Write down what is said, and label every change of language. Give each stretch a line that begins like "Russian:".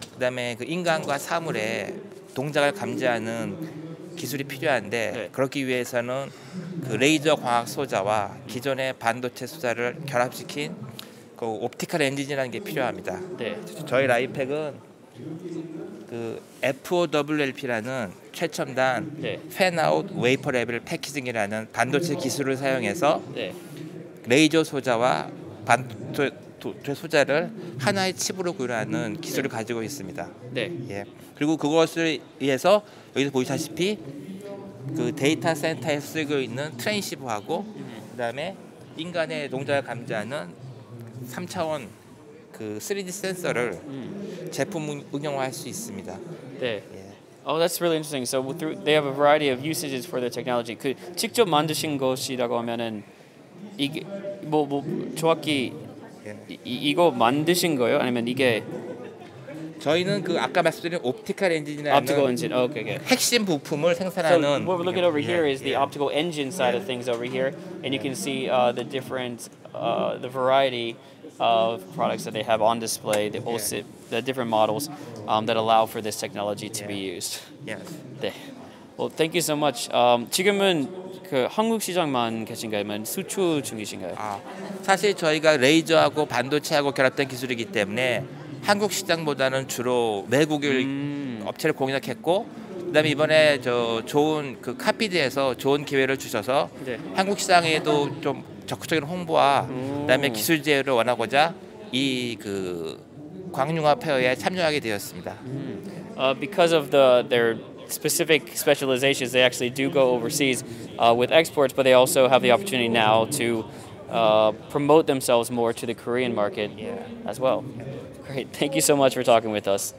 Korean: 그다음에 그 인간과 사물의 동작을 감지하는 기술이 필요한데 네. 그렇기 위해서는 그 레이저 광학 소자와 기존의 반도체 소자를 결합시킨 그 옵티컬 엔진이라는 게 필요합니다. 네. 저희 라이팩은 그 FOWLP라는 최첨단 네. Fan Out Wafer Level Packaging이라는 반도체 기술을 사용해서 네. 레이저 소자와 반도체 소자를 하나의 칩으로 구현하는 기술을 네. 가지고 있습니다. 네. 예. 그리고 그것을 위해서 여기서 보시다시피 그 데이터 센터에서 쓰고 있는 트랜시버하고 그다음에 인간의 동작을 감지하는 3차원 그 3D 센서를 제품 응용화할 수 있습니다. 네.
English: Oh, that's really interesting. So through, they have a variety of usages for the technology.
Korean: 그 직접 만드신 것이라고 하면은 이게 뭐 정확히 이거 만드신 거예요? 아니면 이게 저희는 그 아까 말씀드린 옵티컬 엔진이라는
English: optical engine. Okay, okay.
Korean: 핵심 부품을 생산하는
English: So what we're looking over here is the optical engine side of things over here. And you can see the different, the variety of products that they have on display, the whole set, the different models that allow for this technology to be used. Yes.
Korean: 네.
English: Well, thank you so much.
Korean: 지금은 그 한국 시장만 계신가요? 아니면 수출 중이신가요? 아, 사실 저희가 레이저하고 반도체하고 결합된 기술이기 때문에 한국 시장보다는 주로 외국의 업체를 공략했고 그다음에 이번에 저 좋은 그 카피드에서 좋은 기회를 주셔서 네. 한국 시장에도 좀 적극적인 홍보와 그다음에 기술 제휴를 원하고자 이 그 광융화 페어에 참여하게 되었습니다.
English: Because of their specific specializations, they actually do go overseas with exports, but they also have the opportunity now to promote themselves more to the Korean market as well. Great, thank you so much for talking with us.